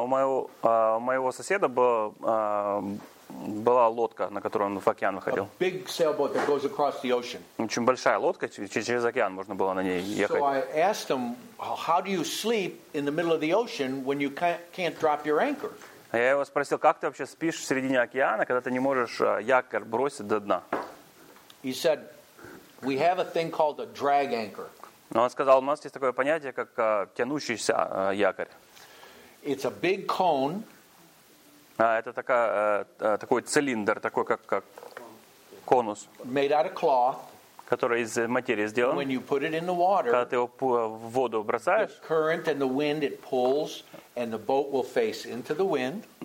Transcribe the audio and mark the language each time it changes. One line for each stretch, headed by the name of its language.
Russian: У моего соседа была лодка, на которой он в океан выходил.
English: A big sailboat that goes across the ocean.
Russian: Очень большая лодка, через океан можно было на ней ехать.
English: So I asked him, how do you sleep in the middle of the ocean when you can't drop your anchor?
Russian: Я его спросил, как ты вообще спишь в середине океана, когда ты не можешь якорь бросить до дна?
English: He said, we have a thing called a drag anchor.
Russian: Он сказал, у нас есть такое понятие, как тянущийся якорь.
English: It's a big cone.
Russian: Это такой цилиндр, такой как конус.
English: Made out of cloth.
Russian: который из материи сделан,
English: when you put it in the water,
Russian: когда ты его в воду бросаешь,
English: the current and the wind, it pulls, and the boat will face into the wind.